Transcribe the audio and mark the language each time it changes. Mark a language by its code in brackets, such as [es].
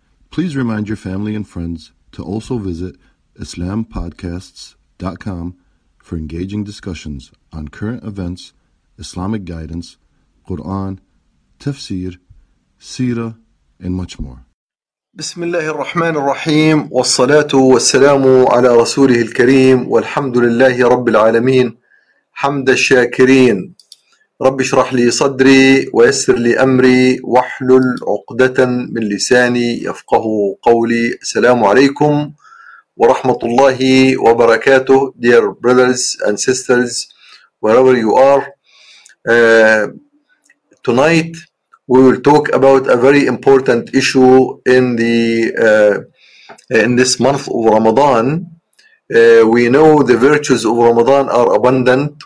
[en] Please remind your family and friends to also visit IslamPodcasts.com for engaging discussions on current events, Islamic guidance, Quran, tafsir, seerah, and much more. [ar] بسم الله الرحمن الرحيم والصلاة والسلام على رسوله الكريم والحمد لله رب العالمين حمد الشاكرين رب اشرح لي صدري ويسر لي أمري واحلل عقدة من لساني يفقه قولي. السلام عليكم ورحمة الله وبركاته. [en] Dear brothers and sisters, wherever you are, tonight we will talk about a very important issue in the in this month of Ramadan. We know the virtues of Ramadan are abundant.